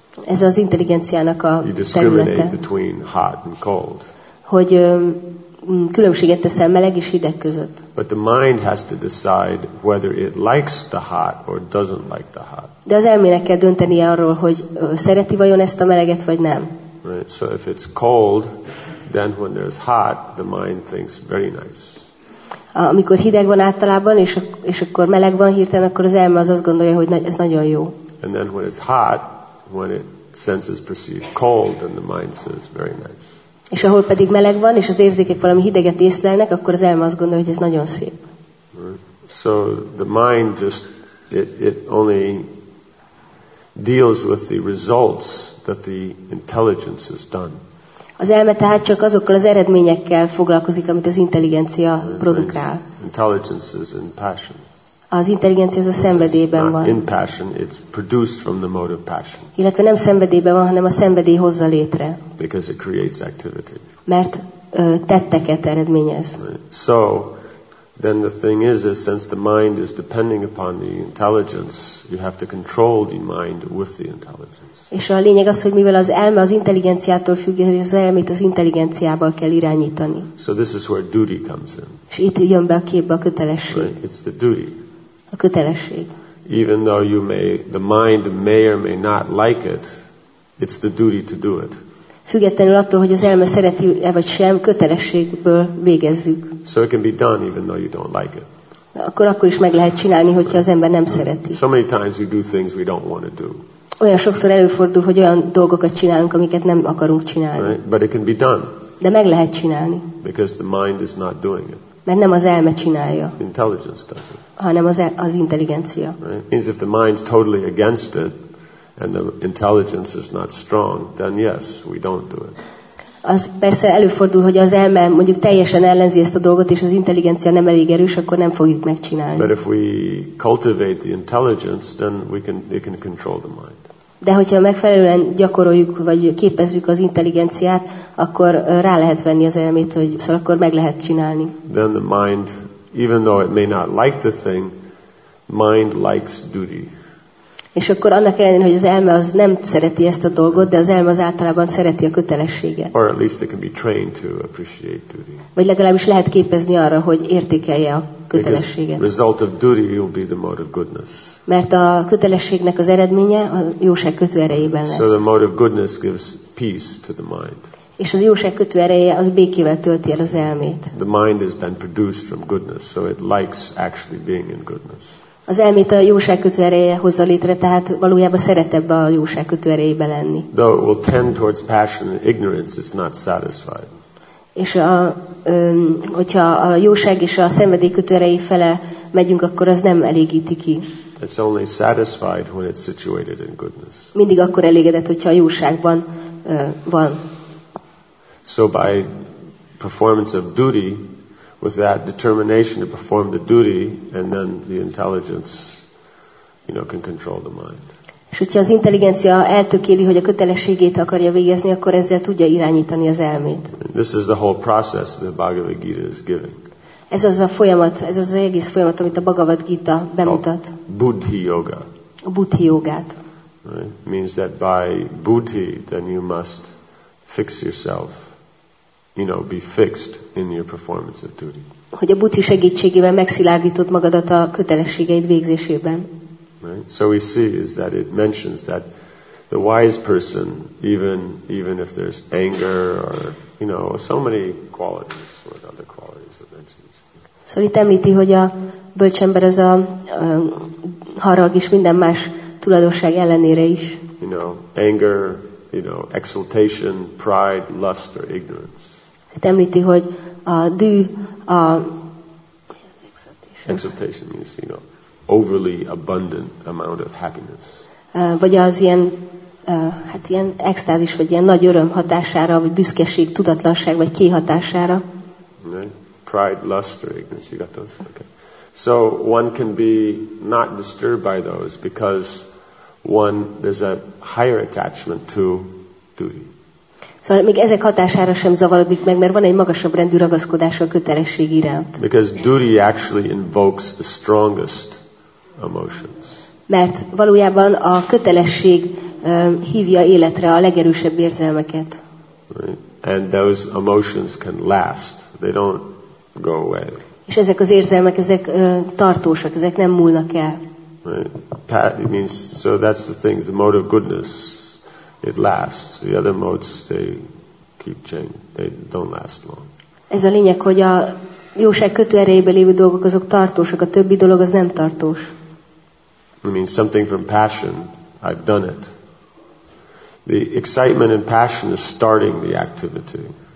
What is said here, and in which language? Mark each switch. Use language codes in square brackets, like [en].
[hu] Ez az intelligenciának a területe. [en] You discriminate between hot and cold. [hu] Hogy különbséget teszel meleg és hideg között. [en] But the mind has to decide whether it likes the hot or doesn't like the hot. [hu] De az elmének kell döntenie arról, hogy szereti vajon ezt a meleget vagy nem. [en] Right. So if it's cold, then when there's hot, the mind thinks very nice. [hu] Amikor hideg van általában, és akkor meleg van hirtelen, akkor az elme az azt gondolja, hogy ez nagyon jó. [en] And then when it's hot, when it senses perceived cold, then the mind says very nice. [hu] És ahol pedig meleg van, és az érzékek valami hideget észlelnek, akkor az elme azt gondolja, hogy ez nagyon szép. [en] So the mind just it only deals with the results that the intelligence has done. [hu] Az elme tehát csak azokkal az eredményekkel foglalkozik, amit az intelligencia produkál. [en] Intelligence is in passion. [hu] Az intelligencia az a szenvedélyben van. [en] In passion, it's produced from the mode of passion. [hu] Illetve nem szenvedélyben van, hanem a szenvedély hozza létre. [en] Because it creates activity. [hu] Mert tetteket eredményez. [en] Right. So, then the thing is since the mind is depending upon the intelligence, you have to control the mind with the intelligence. [hu] És a lényeg az, hogy mivel az elme az intelligenciától függ, az elmét az intelligenciával kell irányítani. [en] So this is where duty comes in. [hu] És itt jön be a képbe a kötelesség. [en] Right. It's the duty. [hu] A kötelesség. [en] Even though the mind may or may not like it, it's the duty to do it. [hu] Függetlenül attól, hogy az elme szereti-e vagy sem, kötelességből végezzük. [en] So it can be done even though you don't like it. [hu] Akkor is meg lehet csinálni, hogyha az ember nem szereti. [en] So many times we do things we don't want to do. [hu] Olyan sokszor előfordul, hogy olyan dolgokat csinálunk, amiket nem akarunk csinálni. [en] Right? But it can be done. [hu] De meg lehet csinálni. [en] Because the mind is not doing it. [hu] Mert nem az elme csinálja. [en] Intelligence does it. [hu] Hanem az intelligencia. [en] Right? Means if the mind's totally against it, and the intelligence is not strong, then yes, we don't do it. [hu] Az persze előfordul, hogy az elme mondjuk teljesen ellenzi ezt a dolgot, és az intelligencia nem elég erős, akkor nem fogjuk megcsinálni. [en] But if we cultivate the intelligence, then it can control the mind. [hu] De hogyha megfelelően gyakoroljuk, vagy képezzük az intelligenciát, akkor rá lehet venni az elmét, hogy szóval akkor meg lehet csinálni. [en] Then the mind, even though it may not like the thing, mind likes duty. [hu] És akkor annak ellenére, hogy az elme az nem szereti ezt a dolgot, de az elme az általában szereti a kötelességet. [en] Or at least it can be trained to appreciate duty. [hu] Vagy legalábbis lehet képezni arra, hogy értékelje a kötelességet. [en] Because result of duty will be the mode of goodness. [hu] Mert a kötelességnek az eredménye a jóság kötő erejében lesz. [en] So the mode of goodness gives peace to the mind. [hu] És az jóság kötő ereje az békével tölti el az elmét. [en] The mind has been produced from goodness, so it likes actually being in goodness. [hu] Az elmét a jóság kötő ereje hozza létre, tehát valójában szeret ebbe a jóság kötő erejébe lenni. [en] Though it will tend towards passion and ignorance, it's not satisfied. [hu] És hogyha a jóság és a szenvedély kötő erejé fele megyünk, akkor az nem elégíti ki. [en] It's only satisfied when it's situated in goodness. [hu] Mindig akkor elégedett, hogyha a jóságban van. [en] So by performance of duty, with that determination to perform the duty, and then the intelligence, you know, can control the mind. [hu] És hogyha az intelligencia eltökéli, hogy a kötelességét akarja végezni, akkor ezzel tudja irányítani az elmét. [en] This is the whole process that Bhagavad Gita is giving. [hu] Ez az a folyamat, ez az egész folyamat, amit a Bhagavad Gita bemutat. [en] Buddhi yoga. [hu] A buddhi jogát. [en] Right? Means that by buddhi, then you must fix yourself. You know, be fixed in your performance of duty. [hu] Hogy a buddhi segítségével megszilárdítod magadat a kötelességeid végzésében. [en] Right? So we see is that it mentions that the wise person, even if there's anger or, you know, so many qualities or other qualities that mentions. [hu] Szóval itt említi, hogy a bölcs ember az a harag is minden más tulajdonság ellenére is. [en] You know, anger, you know, exultation, pride, lust or ignorance. [hu] Itt említi, hogy a dű, a [en] exultation means, you know, overly abundant amount of happiness. [hu] Vagy az ilyen, hát ilyen extázis, vagy ilyen nagy öröm hatására, vagy büszkeség, tudatlanság, vagy kihatására. [en] Pride, lust, or ignorance, you got those? Okay. So one can be not disturbed by those because one, there's a higher attachment to duty. [hu] Szóval még ezek hatására sem zavarodik meg, mert van egy magasabb rendű ragaszkodás a kötelesség iránt. [en] Because duty actually invokes the strongest emotions. [hu] Mert valójában a kötelesség hívja életre a legerősebb érzelmeket. [en] Right. And those emotions can last. They don't go away. [hu] És ezek az érzelmek, ezek tartósak, ezek nem múlnak el. [en] Right. It means, so that's the thing, the mode of goodness. It lasts. The other modes, they keep changing. They don't last long. [hu] Ez a lényeg, hogy a jóság kötő erejében lévő dolgok azok tartósak, a többi dolog az nem tartós. [en] I mean, something from passion, I've done it. The excitement and passion is starting the activity.